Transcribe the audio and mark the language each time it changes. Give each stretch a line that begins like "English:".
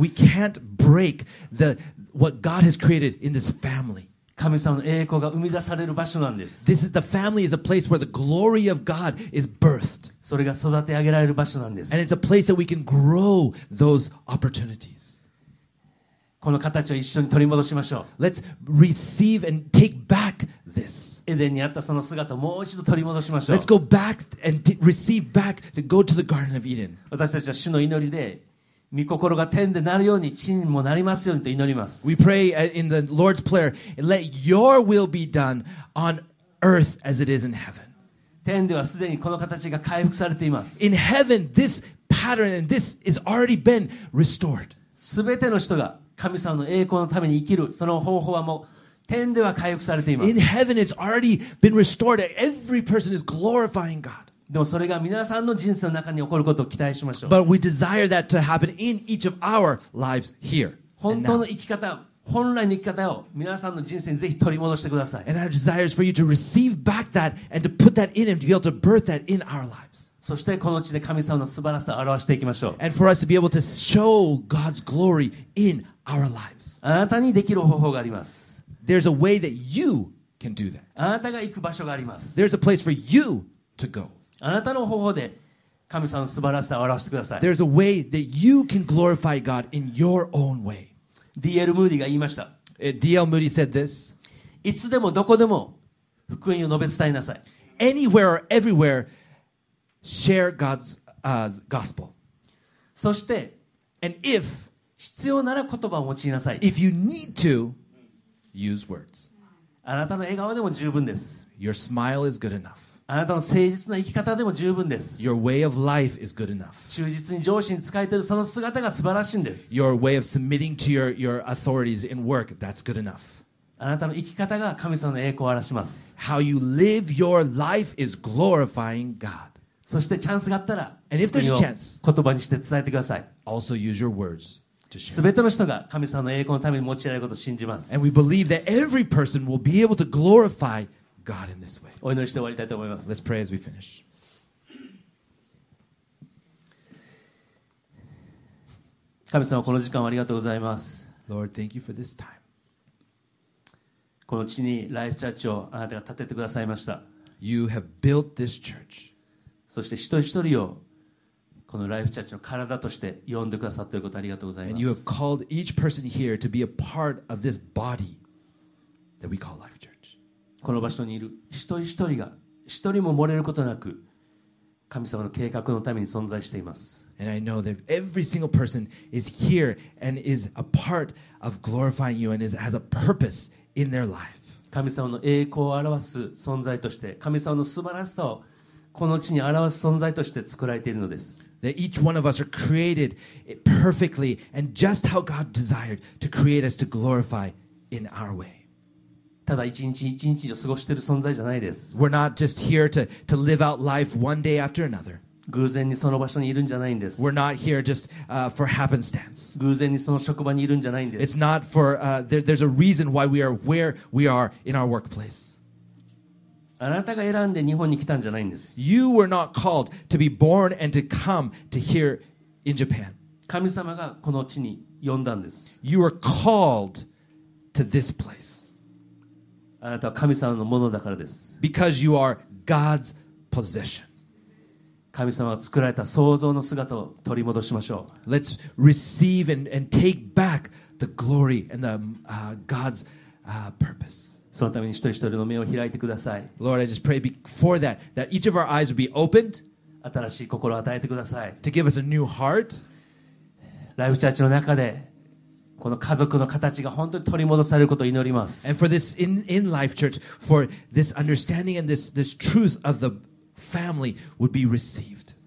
English: We can't break what God has created in this family.
Japanese: 神様の栄光が生み出される場所なんです。
English: The family is a place where the glory of God is birthed.
Japanese: それが育て上げられる場所なんです。
English: And it's a place that we can grow those opportunities.
Japanese: この形を一緒に取り戻しましょう。
English: Let's receive and take back this.
Japanese: エデンにあったその姿をもう一度取り戻しましょう。
English: Let's go back and receive back to go to the Garden of Eden.
Japanese: 私たちは主の祈りで、御心が天でなるように地にもなりますようにと祈ります。
English: We pray in the Lord's Prayer, let your will be done on earth as it is in heaven.
Japanese: 天ではすでにこの形が回復されています。
English: In heaven, this pattern and this is already been restored.
Japanese: 全ての人が神様の栄光のために生きるその方法はもう天では回復されています。
English: In heaven, it's already been restored. Every person is glorifying God.
Japanese: でもそれが皆さんの人生の中に起こることを期待しましょう。
English: But we desire that to happen in each of our lives here.
Japanese: 本当の生き方、本来の生き方を皆さんの人生にぜひ取り戻してください。
English: And our desire is for you to receive back that and to put that in and to be able to birth that in our lives.
Japanese: そしてこの地で神様の素晴らしさを表していきましょう。
English: And for us to be able to show God's glory in our lives.
Japanese: あなたにできる方法があります。
English: There's a way that you can do that.
Japanese: あなたが行く場所があります。
English: There's a place for you to go.
Japanese: あなたの方法で神様の素晴らしさを表してください。
English: There's a way that you can glorify God in your own way. D.L.
Japanese: Moody が言いました。
English: D.L. Moody said this.
Japanese: いつでもどこでも福音を述べ伝えなさい。
English: Anywhere or everywhere,Share God's gospel.
Japanese: そして、
English: and if
Japanese: 必要なら言葉を用いなさい。
English: If you need to, use words.
Japanese: あなたの笑顔でも十分です。
English: Your smile is good enough.
Japanese: あなたの誠実な生き方でも十分です。
English: Your way of life is good enough.
Japanese: 忠実に上司に仕えているその姿が素晴らしいんです。
English: Your way of submitting to your authorities in work, that's good enough.
Japanese: あなたの生き方が神様の栄光を表します。
English: How you live your life is glorifying God.
Japanese: そしてチャンスがあったら、
English: and if there's a chance,
Japanese: 言葉にして伝えてください。
English: Also use your words to share.
Japanese: 全ての人が神様の栄光のために用いられることを信じます。
English: And we believe that every person will be able to glorify God in this way.
Japanese: お祈りして終わりたいと思います。
English: Let's pray as we finish.
Japanese: 神様、この時間をありがとうございます。
English: Lord, thank you for this time.
Japanese: この地にライフチャーチをあなたが建ててくださいました。
English: You have built this church.
Japanese: そして一人一人をこのライフチャーチの体として呼んでくださっていることありがとうございます。
English: And you have called each person here to be a part of this body that we call Life Church.
Japanese: この場所にいる一人一人が一人も漏れることなく神様の計画のために存在しています。
English: And I know that every single person is here and is a part of glorifying you and has a purpose in their life.
Japanese: 神様の栄光を表す存在として、神様の素晴らしさをこの地に表す存在として作られているのです。
English: That each one of us are created perfectly and just how God desired to create us to glorify in our way.
Japanese: ただ一日一日を過ごしている存在じゃないです。
English: We're not just here to live out life one day after another.
Japanese: 偶然にその場所にいるんじゃないんです。
English: We're not here just for happenstance.
Japanese: 偶然にその職場にいるんじゃないんです。
English: It's not for there's a reason why we are where we are in our workplace.
Japanese: あなたが選んで日本に来たんじゃないんです。
English: You were not called to be born and to come to here in Japan.
Japanese: 神様がこの地に呼んだんです。
English: You were called to this place.
Japanese: あなたは神様のものだからです。
English: Because you are God's possession.
Japanese: 神様が作られた創造の姿を取り戻しましょう。
English: Let's receive and take back the glory and the God's purpose.
Japanese: そのために一人一人の目を開いてください。
English: Lord, I just pray before that each of our eyes would be opened.
Japanese: 新しい心を与えてください。
English: To give us a new heart.
Japanese: ライフチャーチの中で。この家族の形が本当に取り戻されることを祈ります。
English: And for this in life church, for this understanding and this truth of the family would be received.